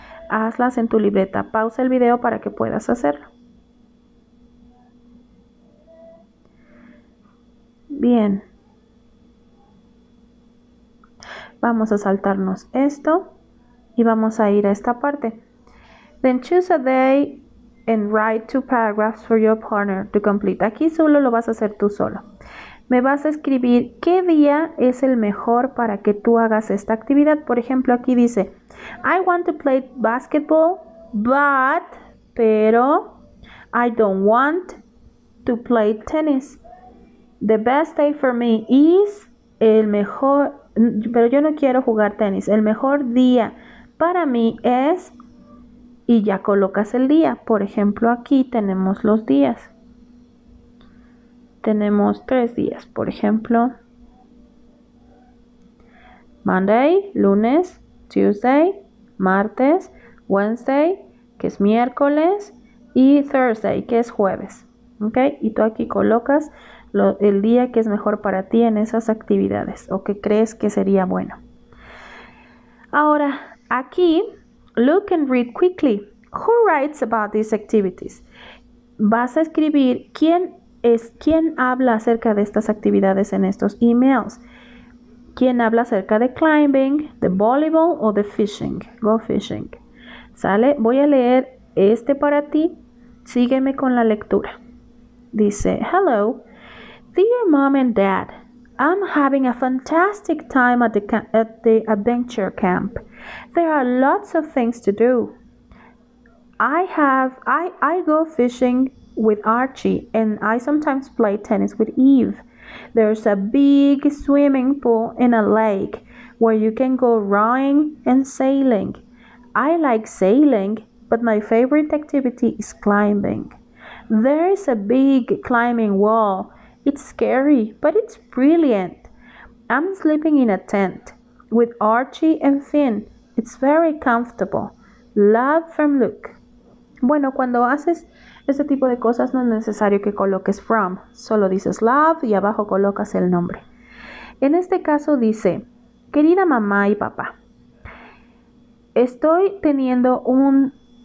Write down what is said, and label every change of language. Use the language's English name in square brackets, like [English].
[Spanish] Hazlas en tu libreta. Pausa el video para que puedas hacerlo. Bien. Vamos a saltarnos esto y vamos a ir a esta parte. [English] Then choose a day and write 2 paragraphs for your partner to complete. [Spanish] Aquí solo lo vas a hacer tú solo. Me vas a escribir qué día es el mejor para que tú hagas esta actividad. Por ejemplo, aquí dice, [English] I want to play basketball, but, [Spanish] pero, [English] I don't want to play tennis. The best day for me is [Spanish] el mejor, pero yo no quiero jugar tenis. El mejor día para mí es, y ya colocas el día. Por ejemplo, aquí tenemos los días. Tenemos 3 días, por ejemplo, Monday, lunes, Tuesday, martes, Wednesday, que es miércoles, y Thursday, que es jueves, ¿ok? Y tú aquí colocas el día que es mejor para ti en esas actividades, o que crees que sería bueno. Ahora, aquí, [English] look and read quickly. Who writes about these activities? [Spanish] Vas a escribir quién habla acerca de estas actividades en estos emails. ¿Quién habla acerca de climbing, de volleyball o de fishing? [English] Go fishing. [Spanish] ¿Sale? Voy a leer este para ti. Sígueme con la lectura. Dice, hello. [English] Dear mom and dad, I'm having a fantastic time at the adventure camp. There are lots of things to do. I go fishing with Archie and I sometimes play tennis with Eve. There's a big swimming pool in a lake where you can go rowing and sailing. I like sailing, but my favorite activity is climbing. There is a big climbing wall. It's scary, but it's brilliant. I'm sleeping in a tent with Archie and Finn. It's very comfortable. Love from Luke. [Spanish] Bueno, cuando haces ese tipo de cosas no es necesario que coloques from. Solo dices love y abajo colocas el nombre. En este caso dice, querida mamá y papá, estoy teniendo un...